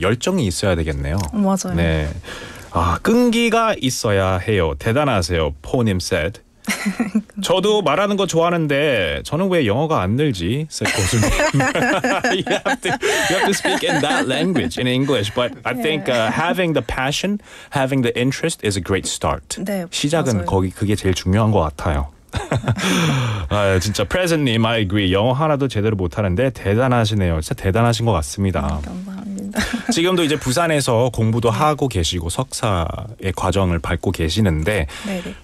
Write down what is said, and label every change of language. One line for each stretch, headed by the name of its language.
Korean: 열정이 있어야 되겠네요. 맞아요. 네. 아, 끈기가 있어야 해요. 대단하세요. 포님 said. 저도 말하는 거 좋아하는데 저는 왜 영어가 안 늘지?
English: said 고수님. you have to speak in that language, in English. But I think having the passion, having the interest is a great start.
Korean: 네, 시작은 거기 그게 제일 중요한 것 같아요. 아, 진짜 present님,
English: I agree.
Korean: 영어 하나도 제대로 못하는데 대단하시네요. 진짜 대단하신 것 같습니다. 지금도 이제 부산에서 공부도 하고 계시고 석사의 과정을 밟고 계시는데 네네.